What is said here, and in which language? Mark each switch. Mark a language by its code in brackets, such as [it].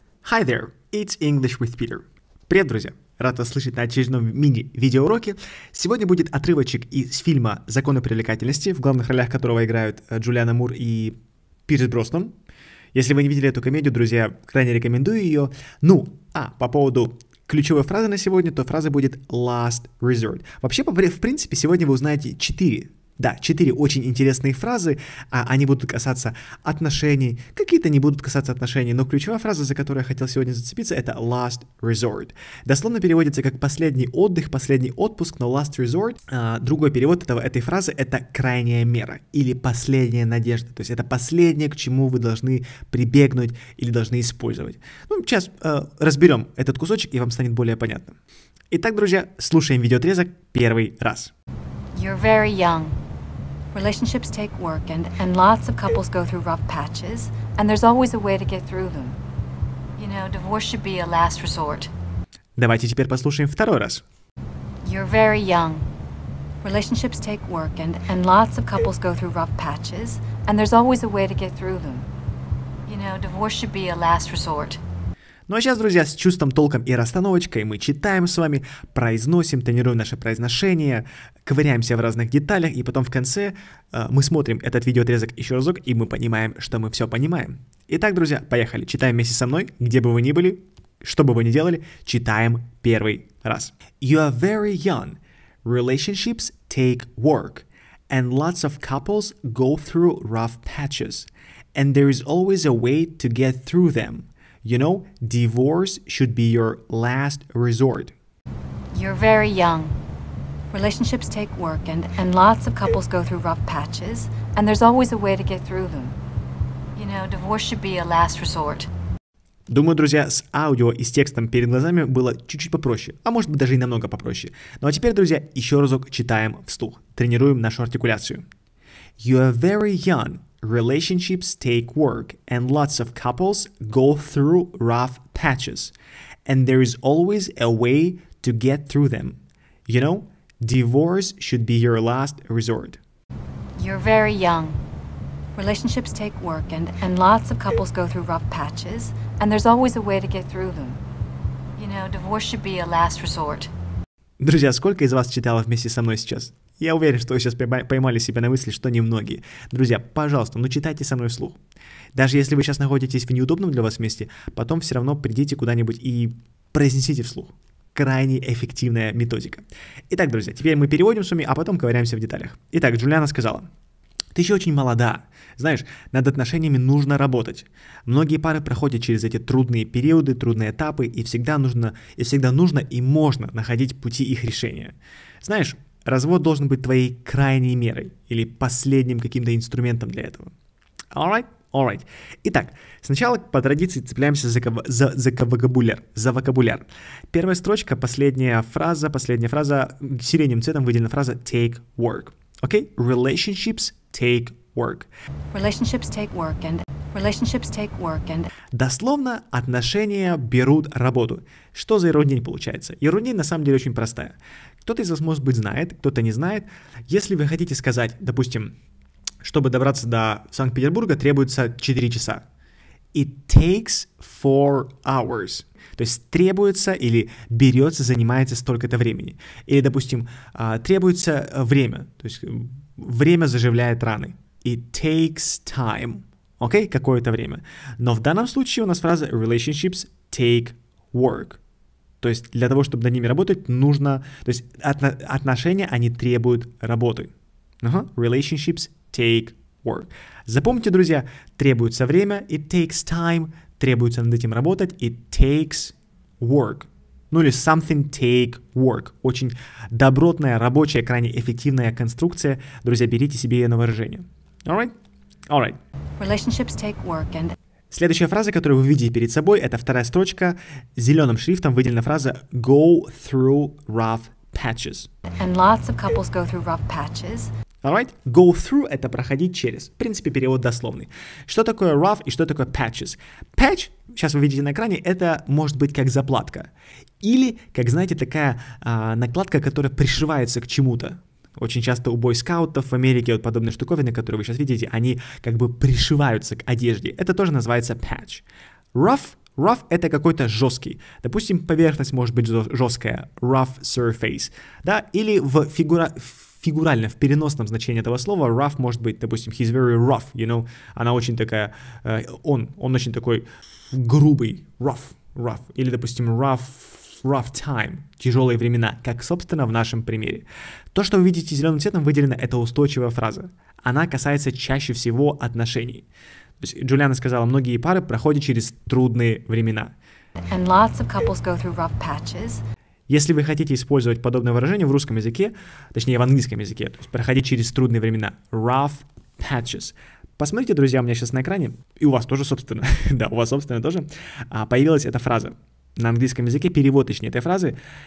[en] Hi there, it's English with Peter. [ru] Привет, друзья! Рад вас слышать на очередном мини-видеоуроке. Сегодня будет отрывочек из фильма «Законы привлекательности», в главных ролях которого играют Джулианна Мур и Пирс Броснан. Если вы не видели эту комедию, друзья, крайне рекомендую ее. Ну, по поводу ключевой фразы на сегодня, то фраза будет «last resort». Вообще, в принципе, сегодня вы узнаете четыре очень интересные фразы, они будут касаться отношений, какие-то не будут касаться отношений, но ключевая фраза, за которую я хотел сегодня зацепиться, это last resort. Дословно переводится как последний отдых, последний отпуск, но last resort, другой перевод этой фразы, это крайняя мера или последняя надежда, то есть это последнее, к чему вы должны прибегнуть или должны использовать. Ну, сейчас разберем этот кусочек, и вам станет более понятно. Итак, друзья, слушаем видеоотрезок первый раз. [en] You're very young. Relationships take work, and lots of couples go through rough patches, and there's always a way to get through them. You know, divorce should be a last resort. [ru] Давайте теперь послушаем второй раз. [en] You're very young. Relationships take work, and lots of couples go through rough patches, and there's always a way to get through them. You know, divorce should be a last resort. [ru] Ну а сейчас, друзья, с чувством, толком и расстановочкой мы читаем с вами, произносим, тренируем наше произношение, ковыряемся в разных деталях, и потом в конце мы смотрим этот видеоотрезок еще разок, и мы понимаем, что мы все понимаем. Итак, друзья, поехали, читаем вместе со мной, где бы вы ни были, что бы вы ни делали, читаем первый раз. [en] You are very young, relationships take work, and lots of couples go through rough patches, and there is always a way to get through them. You know, divorce should be your last resort. You're very young. Relationships take work, and lots of couples go through rough patches, and there's always a way to get through them. You know, divorce should be a last resort. [ru] Думаю, друзья, с аудио и с текстом перед глазами было чуть-чуть попроще, а может быть даже и намного попроще. Ну а теперь, друзья, еще разок читаем вслух, тренируем нашу артикуляцию. [en] You are very young. Relationships take work, and lots of couples go through rough patches, and there is always a way to get through them. You know, divorce should be your last resort. You're very young. Relationships take work, and lots of couples go through rough patches, and there's always a way to get through them. You know, divorce should be a last resort. [ru] Друзья, сколько из вас читало вместе со мной сейчас? Я уверен, что вы сейчас поймали себя на мысли, что немногие. Друзья, пожалуйста, ну читайте со мной вслух. Даже если вы сейчас находитесь в неудобном для вас месте, потом все равно придите куда-нибудь и произнесите вслух. Крайне эффективная методика. Итак, друзья, теперь мы переводим с вами, а потом ковыряемся в деталях. Итак, Джулианна сказала: «Ты еще очень молода. Знаешь, над отношениями нужно работать. Многие пары проходят через эти трудные периоды, трудные этапы, и всегда нужно и можно находить пути их решения. Знаешь, развод должен быть твоей крайней мерой или последним каким-то инструментом для этого». [en] All right. [ru] Итак, сначала по традиции цепляемся за вокабуляр. Первая строчка, последняя фраза, сиреневым цветом выделена фраза «take work». Окей? [en] Relationships take work. Relationships take work and... Relationships take work and... [ru] Дословно, отношения берут работу. Что за ерунда получается? Ерунда на самом деле очень простая. Кто-то из вас, может быть, знает, кто-то не знает. Если вы хотите сказать, допустим, чтобы добраться до Санкт-Петербурга, требуется 4 часа. [en] It takes 4 hours. [ru] То есть требуется или берется, занимается столько-то времени. Или, допустим, требуется время. То есть время заживляет раны. [en] It takes time. [ru] Окей? Какое-то время. Но в данном случае у нас фраза [en] relationships take work. [ru] То есть для того, чтобы над ними работать, нужно... То есть отношения, они требуют работы. Ага. [en] Relationships take work. [ru] Запомните, друзья, требуется время, [en] it takes time, [ru] требуется над этим работать, [en] it takes work. [ru] Ну или [en] something take work. [ru] Очень добротная, рабочая, крайне эффективная конструкция. Друзья, берите себе ее на вооружение. [en] All right. Relationships take work and... [ru] Следующая фраза, которую вы видите перед собой, это вторая строчка. Зеленым шрифтом выделена фраза [en] go through rough patches. And lots of couples go through rough patches. [ru] Alright, go through — это проходить через. В принципе, перевод дословный. Что такое rough и что такое patches? Patch, сейчас вы видите на экране, это может быть как заплатка. Или, как знаете, такая накладка, которая пришивается к чему-то. Очень часто у бойскаутов в Америке вот подобные штуковины, которые вы сейчас видите, они как бы пришиваются к одежде. Это тоже называется patch. Rough, Rough — это какой-то жесткий. Допустим, поверхность может быть жесткая. [en] Rough surface. [ru] Да, или в фигурально, в переносном значении этого слова rough может быть, допустим, [en] he's very rough, you know. [ru] Она очень такая, он очень такой грубый. [en] Rough. [ru] Или, допустим, rough time, тяжелые времена, как, собственно, в нашем примере. То, что вы видите зеленым цветом выделено, это устойчивая фраза. Она касается чаще всего отношений. То есть Джулиана сказала, многие пары проходят через трудные времена. [en] And lots of couples go through rough patches. [ru] Если вы хотите использовать подобное выражение в русском языке, точнее, в английском языке, то есть проходить через трудные времена, rough patches. Посмотрите, друзья, у меня сейчас на экране, и у вас тоже, собственно, да, у вас, собственно, тоже, появилась эта фраза. На английском языке перевод, точнее, этой фразы.